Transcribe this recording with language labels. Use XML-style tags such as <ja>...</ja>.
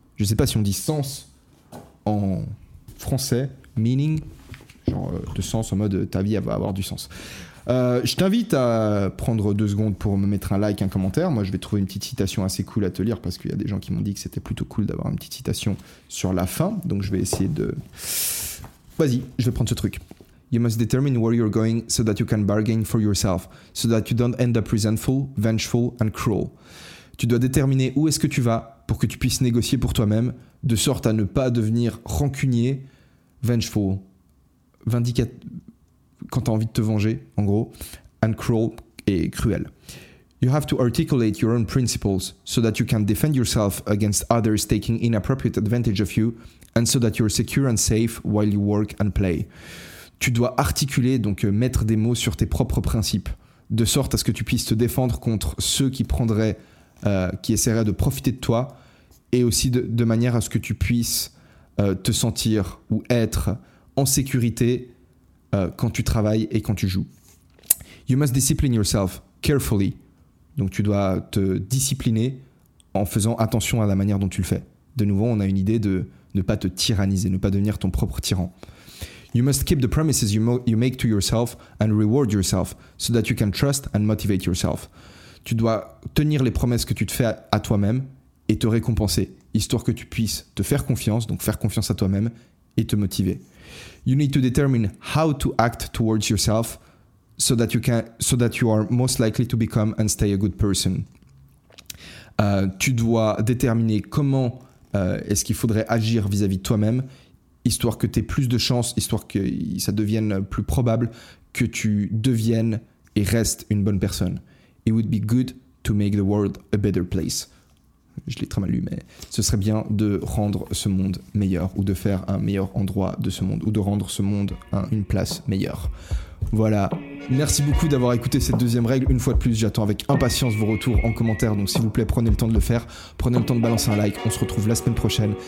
<fr>Je sais pas si on dit sens en français, meaning, genre de sens en mode ta vie va avoir du sens. Je t'invite à prendre 2 secondes pour me mettre un like, un commentaire. Moi, je vais trouver une petite citation assez cool à te lire parce qu'il y a des gens qui m'ont dit que c'était plutôt cool d'avoir une petite citation sur la fin. Donc, je vais essayer de... Vas-y, je vais prendre ce truc.</fr> <en>You must determine where you're going so that you can bargain for yourself, so that you don't end up resentful, vengeful and cruel.</en> <fr>Tu dois déterminer où est-ce que tu vas pour que tu puisses négocier pour toi-même, de sorte à ne pas devenir rancunier, vengeful, quand t'as envie de te venger, en gros,</fr> <en>and cruel</en> <fr>et cruel.</fr> <en>You have to articulate your own principles so that you can defend yourself against others taking inappropriate advantage of you and so that you're secure and safe while you work and play.</en> <fr>Tu dois articuler, donc mettre des mots sur tes propres principes, de sorte à ce que tu puisses te défendre contre ceux qui prendraient, qui essaieraient de profiter de toi et aussi de manière à ce que tu puisses te sentir ou être en sécurité quand tu travailles et quand tu joues.</fr> <en>You must discipline yourself carefully.</en> <fr>Donc tu dois te discipliner en faisant attention à la manière dont tu le fais. De nouveau, on a une idée de ne pas te tyranniser, ne pas devenir ton propre tyran.</fr> <en>You must keep the promises you make to yourself and reward yourself so that you can trust and motivate yourself.</en> <fr>Tu dois tenir les promesses que tu te fais à toi-même et te récompenser, histoire que tu puisses te faire confiance, donc faire confiance à toi-même et te motiver.</fr> <en>You need to determine how to act towards yourself so that you are most likely to become and stay a good person.</en> <fr>Tu dois déterminer comment est-ce qu'il faudrait agir vis-à-vis de toi-même, histoire que tu aies plus de chances, histoire que ça devienne plus probable que tu deviennes et restes une bonne personne.</fr> <en>It would be good to make the world a better place.</en> <fr>Je l'ai très mal lu, mais ce serait bien de rendre ce monde meilleur, ou de faire un meilleur endroit de ce monde, ou de rendre ce monde une place meilleure. Voilà. Merci beaucoup d'avoir écouté cette deuxième règle. Une fois de plus, j'attends avec impatience vos retours en commentaire. Donc s'il vous plaît, prenez le temps de le faire. Prenez le temps de balancer un like. On se retrouve la semaine prochaine.</fr>